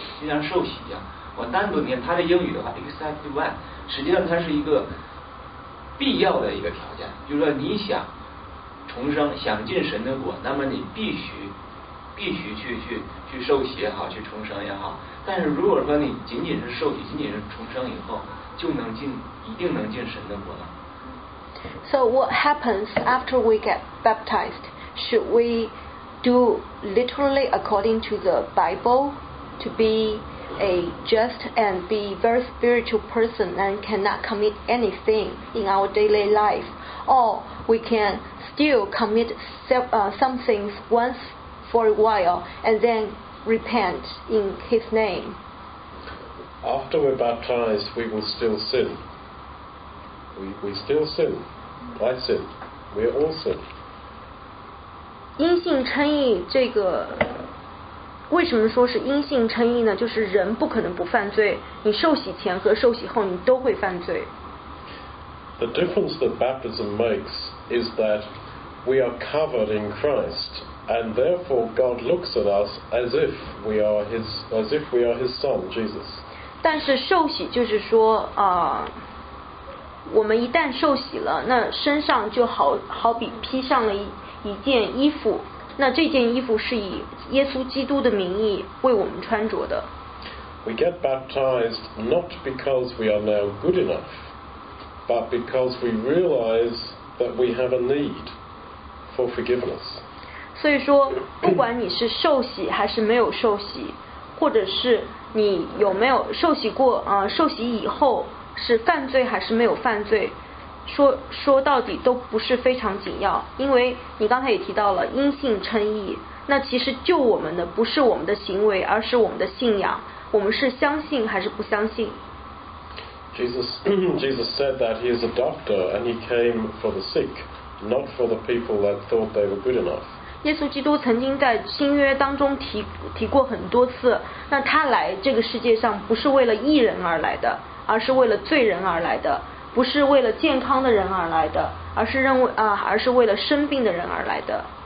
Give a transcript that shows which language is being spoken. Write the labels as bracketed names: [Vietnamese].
[Chinese] 就像受洗一样，我单独念它的英语的话 [English] except one， [Chinese] 实际上它是一个必要的一个条件，就是说你想重生，想进神的国，那么你必须去受洗也好，去重生也好。但是如果说你仅仅是受洗，仅仅是重生以后，就能进，一定能进神的国呢？ [English] So what happens after we get baptized? Should we do literally according to the Bible to be a just and be very spiritual person and cannot commit anything in our daily life, or we can still commit some things once for a while and then repent in his name? After we're baptized, we will still sin. We still sin. I sin. We all sin. [Chinese] 因信称义这个为什么说是因信称义呢？就是人不可能不犯罪，你受洗前和受洗后你都会犯罪。 [English] The difference that baptism makes is that we are covered in Christ, and therefore God looks at us as if we are his son, Jesus. [Chinese] 但是受洗就是说我们一旦受洗了，那身上就好比披上了一件衣服，那这件衣服是以耶稣基督的名义为我们穿着的。 [English] We get baptized not because we are now good enough, but because we realize that we have a need for forgiveness. [Chinese] 所以说，不管你是受洗还是没有受洗，或者是你有没有受洗过，受洗以后是犯罪还是没有犯罪，说到底都不是非常紧要，因为你刚才也提到了因信称义，那其实救我们的不是我们的行为，而是我们的信仰。我们是相信还是不相信？ [English] Jesus said that he is a doctor and he came for the sick, not for the people that thought they were good enough. [Chinese] 耶稣基督曾经在新约当中 提过很多次，那他来这个世界上不是为了义人而来的，而是为了罪人而来的，不是为了健康的人而来的，而是认为而是为了生病的人而来的。